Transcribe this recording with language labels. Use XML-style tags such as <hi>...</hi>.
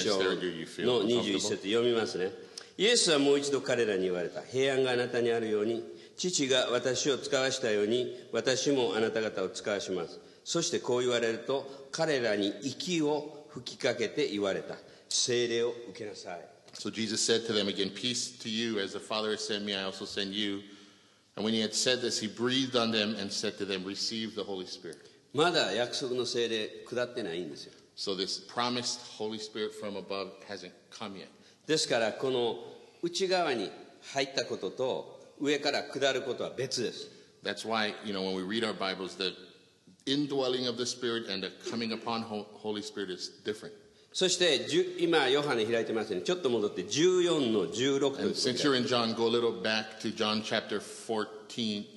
<en>staring you, you feel uncomfortable.</en> <ja>Yes, はもう一度彼らに言われた。平安があなたにあるように。父が私を使わしたように私もあなた方を使わします。そしてこう言われると彼らに息を吹きかけて言われた。聖霊を受けなさい。</ja> <en>So Jesus said to them again, Peace to you, as the Father has sent me, I also send you. And when he had said this, he breathed on them and said to them, Receive the Holy Spirit.</en> <ja>まだ約束の聖霊下ってないんですよ。</ja> <en>So this promised Holy Spirit from above hasn't come yet.</en> <ja>ですからこの内側に入ったことと上から下ることは別です。</ja> <en>That's why, you know, when we read our Bibles, the indwelling of the Spirit and the coming upon Holy Spirit is different.</en> <ja>そして今ヨハネ開いてますね。ちょっと戻って14の16。</ja> <en>And since you're in John, go a little back to John chapter 14.</en>